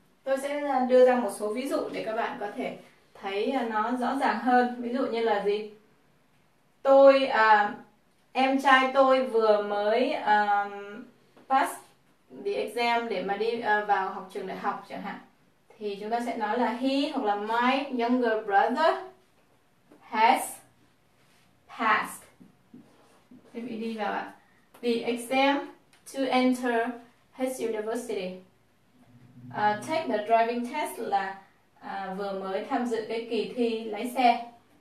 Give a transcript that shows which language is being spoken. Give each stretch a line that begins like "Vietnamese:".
Vietnamese: Tôi sẽ đưa ra một số ví dụ để các bạn có thể thấy nó rõ ràng hơn. Ví dụ như là gì? Tôi, em trai tôi vừa mới
English: pass the exam
Vietnamese: để mà đi vào học trường đại học chẳng hạn. Thì chúng ta sẽ nói là
English: he
Vietnamese: hoặc là
English: my younger brother has passed the exam to enter his university. Take the driving test
Vietnamese: là vừa mới tham dự cái kỳ thi lái xe.